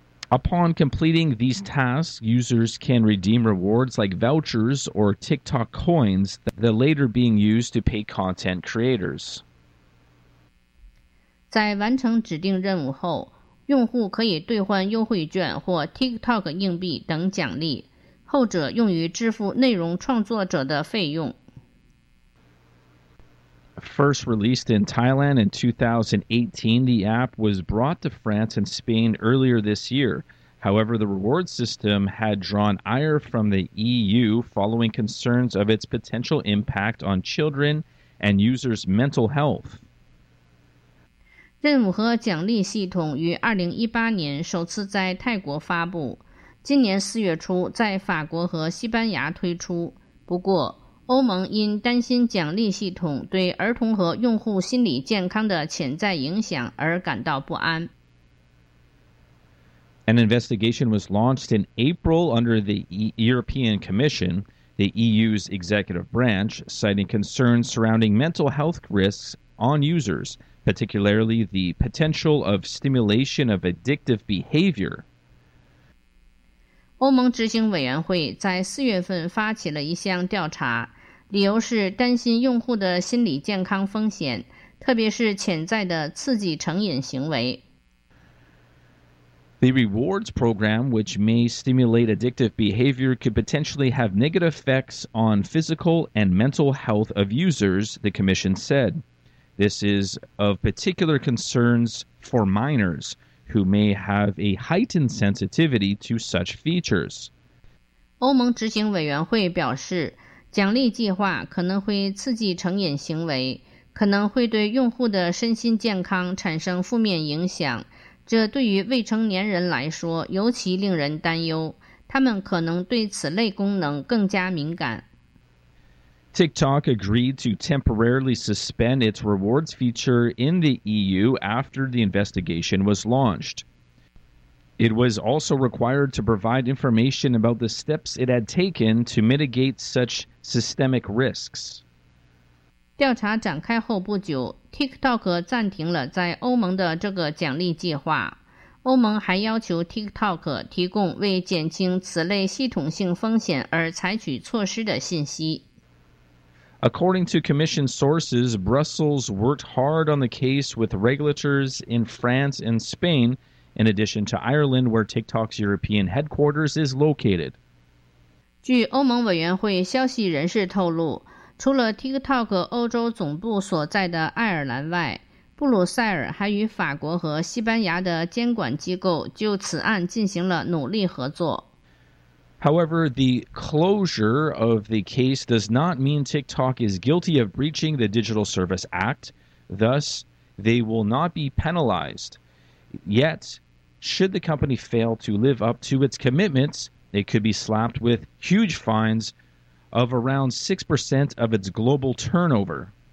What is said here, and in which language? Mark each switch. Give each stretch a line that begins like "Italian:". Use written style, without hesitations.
English: Upon completing these tasks, users can redeem rewards like vouchers or TikTok coins, the later being used to pay content creators.
Chinese: 在完成指定任务后，用户可以兑换优惠券或 TikTok 硬币等奖励，后者用于支付内容创作者的费用。
English: First released in Thailand in 2018, the app was brought to France and Spain earlier this year. However, the reward system had drawn ire from the EU following concerns of its potential impact on children and users' mental health.
Chinese: 任务和奖励系统于2018年首次在泰国发布。今年四月初在法国和西班牙推出。不过欧盟因担心奖励系统对儿童和用户心理健康的潜在影响而感到不安。
English: An investigation was launched in April under the European Commission, the EU's executive branch, citing concerns surrounding mental health risks on users, particularly the potential of stimulation of addictive behavior.
Chinese: 欧盟执行委员会在四月份发起了一项调查，理由是担心用户的心理健康风险，特别是潜在的刺激成瘾行为。
English: The rewards program, which may stimulate addictive behavior, could potentially have negative effects on physical and mental health of users, the commission said. This is of particular concerns for minors, who may have a heightened sensitivity to such features.
Chinese: 欧盟执行委员会表示，奖励计划可能会刺激成瘾行为，可能会对用户的身心健康产生负面影响。这对于未成年人来说尤其令人担忧，他们可能对此类功能更加敏感。
English: TikTok agreed to temporarily suspend its rewards feature in the EU after the investigation was launched. It was also required to provide information about the steps it had taken to mitigate such systemic risks.
Chinese: 调查展开后不久，TikTok 暂停了在欧盟的这个奖励计划。欧盟还要求 TikTok 提供为减轻此类系统性风险而采取措施的信息。
English: According to Commission sources, Brussels worked hard on the case with regulators in France and Spain, in addition to Ireland, where TikTok's European headquarters is located.
Chinese: 据欧盟委员会消息人士透露，除了 TikTok 欧洲总部所在的爱尔兰外，布鲁塞尔还与法国和西班牙的监管机构就此案进行了努力合作。
English: However, the closure of the case does not mean TikTok is guilty of breaching the Digital Service Act. Thus, they will not be penalized. Yet, should the company fail to live up to its commitments, it could be slapped with huge fines of around 6% of its global turnover.